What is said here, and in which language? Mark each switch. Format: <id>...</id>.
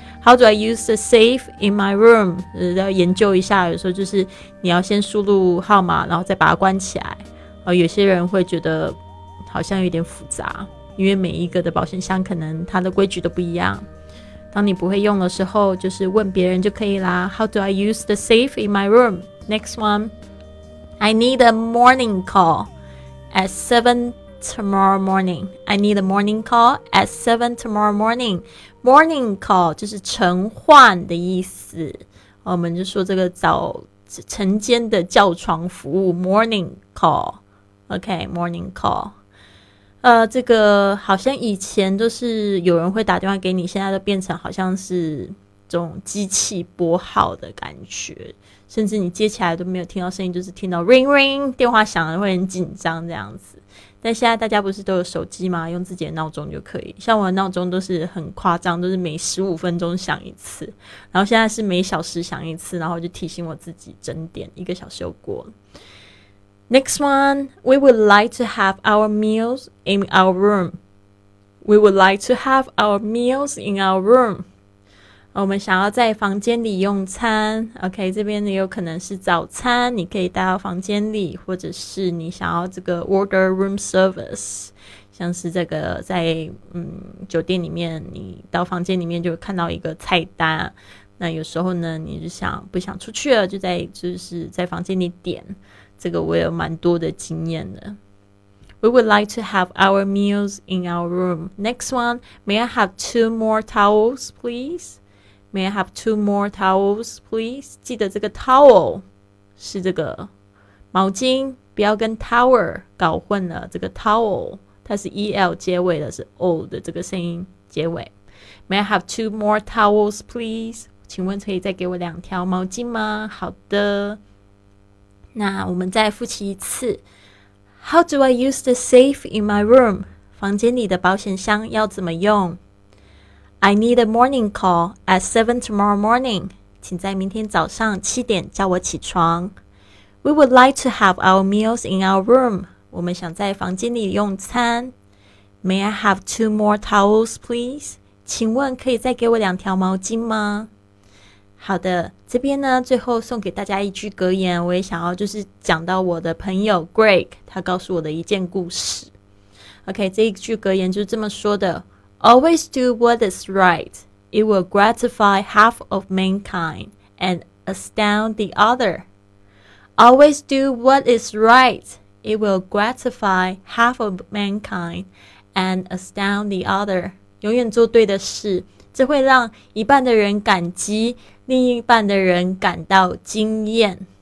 <en>How do I use the safe in my room？</en> <zh>要研究一下，有时候就是你要先输入号码然后再把它关起来，有些人会觉得好像有点复杂，因为每一个的保险箱可能它的规矩都不一样。当你不会用的时候，就是问别人就可以啦。</zh> <en>How do I use the safe in my room? Next one. I need a morning call at 7 tomorrow morning. I need a morning call at 7 tomorrow morning.</en> <zh>Morning call 就是晨唤的意思。我们就说这个早晨间的叫床服务 ,morning call.</zh> <en>OK, morning call.</en> <zh>这个好像以前都是有人会打电话给你，现在都变成好像是这种机器拨号的感觉，甚至你接起来都没有听到声音，就是听到 ring ring 电话响了会很紧张这样子。但现在大家不是都有手机吗？用自己的闹钟就可以，像我的闹钟都是很夸张，都是每15分钟响一次，然后现在是每小时响一次，然后就提醒我自己整点一个小时又过了。</zh> <en>Next one, we would like to have our meals in our room. We would like to have our meals in our room.</en> <zh>我们想要在房间里用餐。OK, 这边有可能是早餐，你可以带到房间里，或者是你想要这个</zh> <en>order room service。</en> <zh>像是这个在酒店里面，你到房间里面就看到一个菜单。那有时候呢，你就想不想出去了，就是在房间里点。这个我有蛮多的经验的。</zh> <en>We would like to have our meals in our room. Next one, may I have two more towels, please? May I have two more towels, please?</en> <zh>记得这个 towel 是这个毛巾，不要跟 tower 搞混了。这个 towel 它是 el 结尾的，是 o 的这个声音结尾。</zh> <en>May I have two more towels, please?</en> <zh>请问可以再给我两条毛巾吗？好的，那我们再复习一次。</zh> <en>How do I use the safe in my room?</en> <zh>房间里的保险箱要怎么用？</zh> <en>I need a morning call at 7 tomorrow morning.</en> <zh>请在明天早上7点叫我起床。</zh> <en>We would like to have our meals in our room.</en> <zh>我们想在房间里用餐。</zh> <en>May I have two more towels, please?</en> <zh>请问可以再给我两条毛巾吗？好的，这边呢最后送给大家一句格言，我也想要就是讲到我的朋友 Greg 他告诉我的一件故事。 OK， 这一句格言就是这么说的，</zh> <en>Always do what is right. It will gratify half of mankind and astound the other. Always do what is right. It will gratify half of mankind and astound the other.</en> <zh>永远做对的事，这会让一半的人感激，另一半的人感到惊艳。</zh>